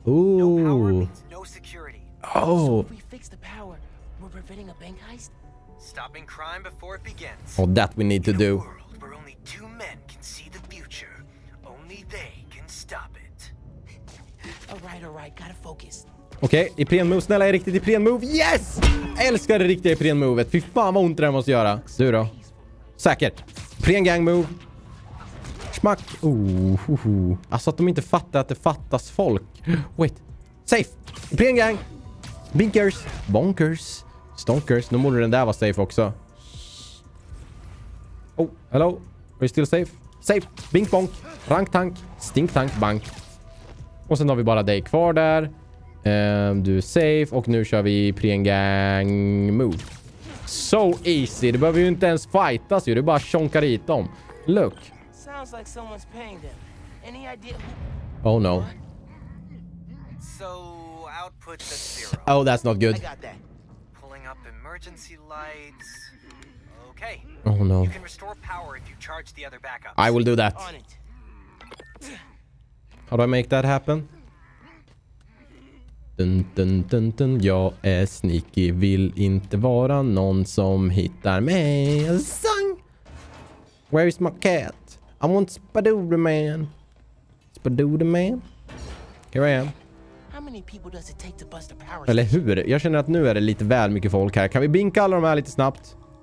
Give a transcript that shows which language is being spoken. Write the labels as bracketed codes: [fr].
[en] Ooh. No power means no security. Oh. So if we fix the power, we're preventing a bank heist? Stopping crime before it begins. Oh, that we need to do. In a world where only two men can see the future, only they can stop it. All right, gotta focus. [sv] Okej, okay, Ipren move, snälla, är riktigt Ipren move. Yes! Älskar det riktiga Ipren movet. Fy fan vad ont det måste göra. Du då? Säkert. Ipren gang move. Smack. Alltså att de inte fattar att det fattas folk. [en] Wait. Safe. Ipren gang. Binkers. Bonkers. Stonkers. [sv] Nu måste den där vara safe också. [en] Oh, hello. Are you still safe? Safe. Bink bonk. Rank tank. Stink tank bank. [sv] Och sen har vi bara dig kvar där. Du är safe och nu kör vi pre-gang move. [en] So easy. [sv] Det behöver ju inte ens fightas ju. Det är bara tjonkar hit dem. [en] Look. Sounds like someone's paying them. Any idea? Oh no. So output the zero. Oh, that's not good. I got that. Pulling up emergency lights. Okay. Oh no. You can restore power if you charge the other backup. I will do that. How do I make that happen? Dun, dun, dun, dun. [sv] Jag är sneaky, vill inte vara någon som hittar mig. [en] Sang! Where is my cat? I want Spider-Man. Spider-Man? Here I am. How many people does it take to bust the power? [sv] Eller hur? Jag känner att nu är det lite väl mycket folk här. Kan vi binka alla de här lite snabbt?